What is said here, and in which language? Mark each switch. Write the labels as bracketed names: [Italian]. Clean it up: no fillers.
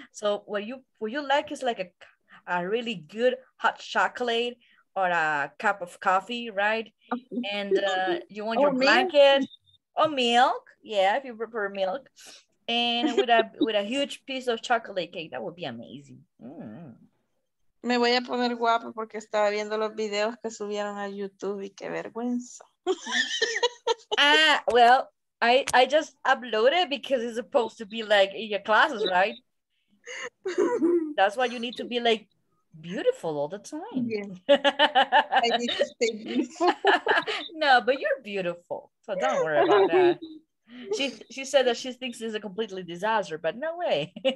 [English] So what you like is like a really good hot chocolate or a cup of coffee, right? And you want your blanket or milk. Yeah, if you prefer milk. And with a huge piece of chocolate cake, that would be amazing. [Spanish] Me voy a poner guapa porque estaba viendo los videos que subieron a YouTube y qué vergüenza. [English] Well, I just uploaded because it's supposed to be like in your classes, right? That's why you need to be like beautiful all the time. Yeah. I need to stay beautiful. No, but you're beautiful, so don't worry about that. She said that she thinks it's a completely disaster, but no way.